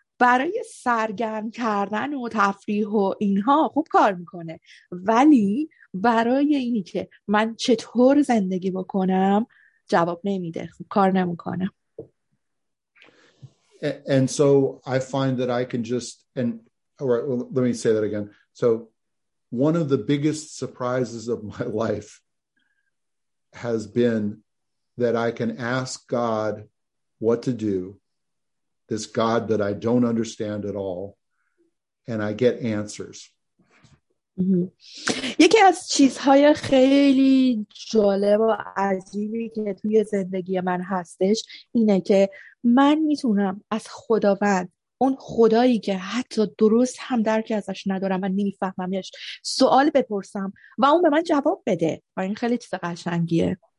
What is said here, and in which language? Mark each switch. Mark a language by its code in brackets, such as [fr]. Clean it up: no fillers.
[fa] برای سرگرم کردن و تفریح و اینها خوب کار میکنه، ولی برای اینی که من چطور زندگی بکنم جواب نمیده، خوب کار نمیکنه. [en] And so I find that I can just, let me say that again. So one of the biggest surprises of my life has been that I can ask God what to do, this God that I don't understand at all, and I get answers. [fa] یکی از چیزهای خیلی جالب و عجیبی که توی زندگی من هستش اینه که من میتونم از خداوند، اون خدایی که حتی درست هم درکی ازش ندارم و نمیفهممش، سوال بپرسم و اون به من جواب بده و این خیلی چیز قشنگیه.